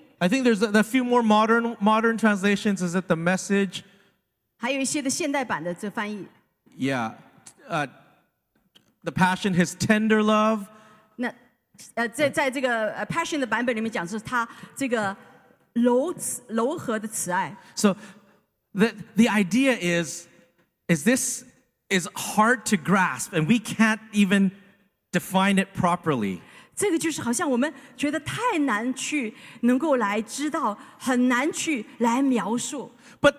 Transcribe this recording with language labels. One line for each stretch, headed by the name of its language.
English: I think there's a few more modern translations. Is it the Message?
Chinese: 还有一些的现代版的这翻译。
English: Yeah. The Passion, his tender love.
Chinese: 那在这个 Passion的版本里面讲是他这个柔和的慈爱。
English: So the idea is this is hard to grasp and we can't even define it properly.
Chinese: 这个就是好像我们觉得太难去能够来知道，很难去来描述。But